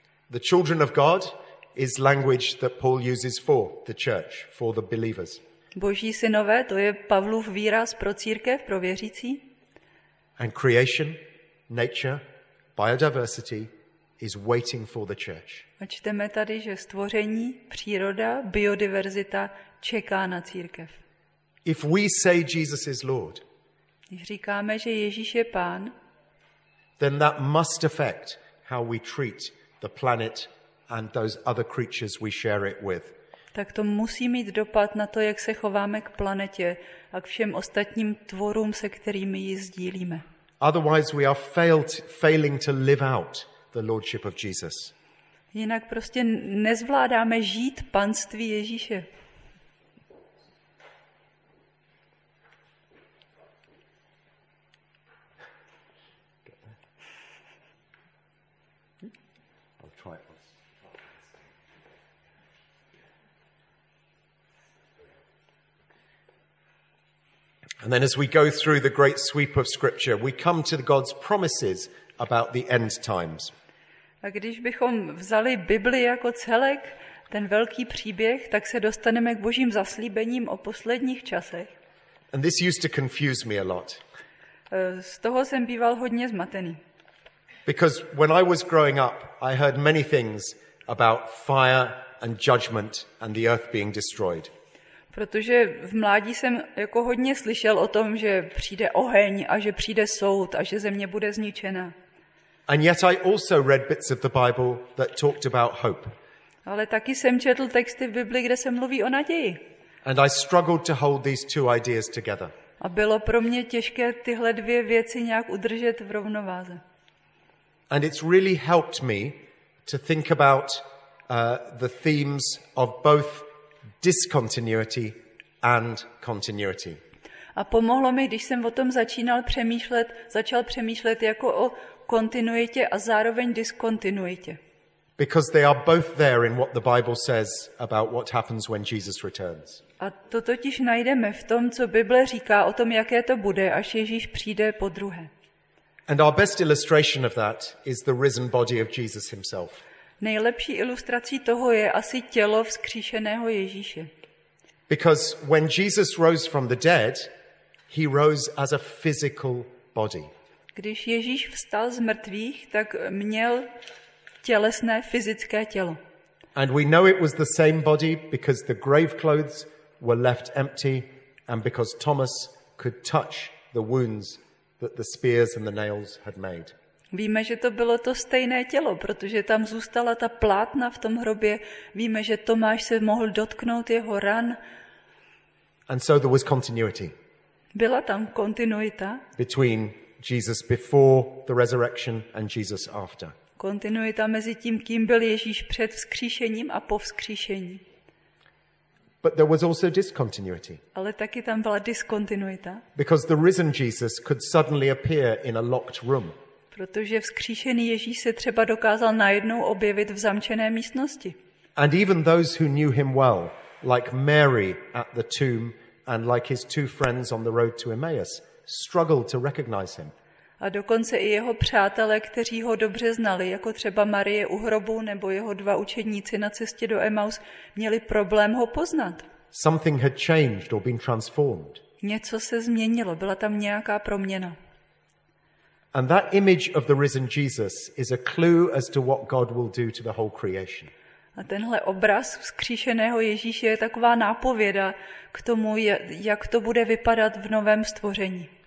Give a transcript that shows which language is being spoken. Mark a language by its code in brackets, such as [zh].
[en] The children of God is language that Paul uses for the church, for the believers. [cs] Boží synové, to je Pavlův výraz pro církev, pro věřící. [en] And creation, nature, biodiversity is waiting for the church. [cs] A čteme tady, že stvoření, příroda, biodiverzita čeká na církev. [en] If we say Jesus is Lord, [cs] když říkáme, že Ježíš je Pán, [en] then that must affect how we treat the planet and those other creatures we share it with. [cs] Tak to musí mít dopad na to, jak se chováme k planetě a k všem ostatním tvorům, se kterými ji sdílíme. [en] Otherwise we are failing to live out the lordship of Jesus. [cs] Jinak prostě nezvládáme žít panství Ježíše. [en] And then as we go through the great sweep of scripture, we come to God's promises about the end times. [cs] A když bychom vzali Bibli jako celek, ten velký příběh, tak se dostaneme k Božím zaslíbením o posledních časech. [en] And this used to confuse me a lot. [cs] Z toho jsem býval hodně zmatený. [en] Because when I was growing up, I heard many things about fire and judgment and the earth being destroyed. [cs] Protože v mládí jsem jako hodně slyšel o tom, že přijde oheň a že přijde soud a že země bude zničena. [en] And yet I also read bits of the Bible that talked about hope. [cs] Ale taky jsem četl texty v Bibli, kde se mluví o naději. [en] And I struggled to hold these two ideas together. [cs] A bylo pro mě těžké tyhle dvě věci nějak udržet v rovnováze. [en] And it's really helped me to think about the themes of both discontinuity and continuity. [cs] A pomohlo mi, když jsem o tom začal přemýšlet jako o kontinuitě a zároveň diskontinuitě. [en] Because they are both there in what the Bible says about what happens when Jesus returns. [cs] A to totiž najdeme v tom, co Bible říká o tom, jaké to bude, až Ježíš přijde po druhé. [en] And our best illustration of that is the risen body of Jesus himself. [cs] Nejlepší ilustrací toho je asi tělo vzkříšeného Ježíše. [en] Because when Jesus rose from the dead, he rose as a physical body. [cs] Když Ježíš vstal z mrtvých, tak měl tělesné fyzické tělo. [en] And we know it was the same body because the grave clothes were left empty and because Thomas could touch the wounds that the spears and the nails had made. [cs] Víme, že to bylo to stejné tělo, protože tam zůstala ta plátna v tom hrobě. Víme, že Tomáš se mohl dotknout jeho ran. [en] And so there was continuity. [cs] Byla tam kontinuita. [en] Between Jesus before the resurrection and Jesus after. [cs] Kontinuita mezi tím, kým byl Ježíš před vzkříšením a po vzkříšení. [en] But there was also discontinuity. [cs] Ale taky tam byla diskontinuita. [en] Because the risen Jesus could suddenly appear in a locked room. [cs] Protože vzkříšený Ježíš se třeba dokázal najednou objevit v zamčené místnosti. [en] And even those who knew him well, like Mary at the tomb and like his two friends on the road to Emmaus, struggled to recognize him. [cs] A dokonce i jeho přátelé, kteří ho dobře znali, jako třeba Marie u hrobu nebo jeho dva učedníci na cestě do Emmaus, měli problém ho poznat. [en] Something had changed or been transformed. [cs] Něco se změnilo, byla tam nějaká proměna. [en] And that image of the risen Jesus is a clue as to what God will do to the whole creation. [cs] A tenhle obraz vzkříšeného Ježíše je taková nápověda k tomu, jak to bude vypadat v novém stvoření.